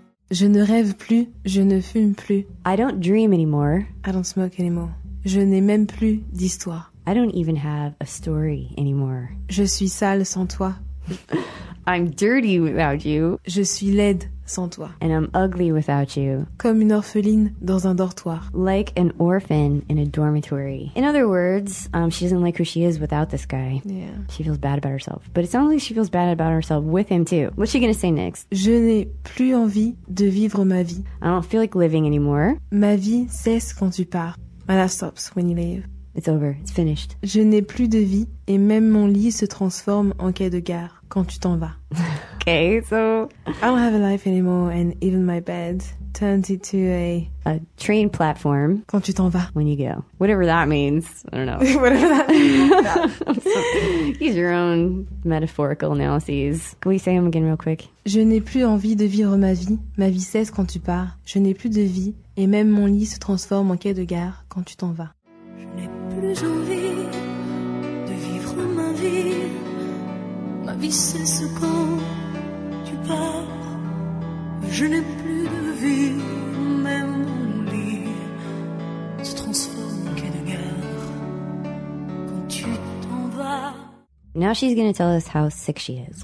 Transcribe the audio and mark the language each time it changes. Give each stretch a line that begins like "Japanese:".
French: Je ne rêve plus, je ne fume plus.
English: I don't dream anymore. I don't smoke anymore.
French: Je n'ai même plus d'histoire.
English: I don't even have a story anymore.
French: Je suis sale sans toi.
English: I'm dirty without you.
French: Je suis laide sans toi.
English: And I'm ugly without you.
French: Comme une orpheline dans un dortoir.
English: Like an orphan in a dormitory. In other words, she doesn't like who she is without this guy. Yeah. She feels bad about herself. But it sounds like she feels bad about herself with him too. What's she gonna say next?
French: Je n'ai plus envie de vivre ma vie.
English: I don't feel like living anymore.
French: Ma vie cesse quand tu pars.
English: My life stops when you leave. It's over. It's finished.
French: Je n'ai plus de vie et même mon lit se transforme en quai de gare quand tu t'en vas.
English: Okay, so... I don't have a life anymore and even my bed turns into a... A train platform.
French: Quand tu t'en vas.
English: When you go. Whatever that means. I don't know. Whatever that means. Use your own metaphorical analyses. Can we say them again real quick?
French: Je n'ai plus envie de vivre ma vie. Ma vie cesse quand tu pars. Je n'ai plus de vie et même mon lit se transforme en quai de gare quand tu t'en vas. Je n'ai plus envie de vivre ma vie. Ma vie cesse quand tu pars. Je n'ai plus de vie, même mon lit se transforme en quai de gare quand tu t'en vas.
English: Now she's gonna tell us how sick she is.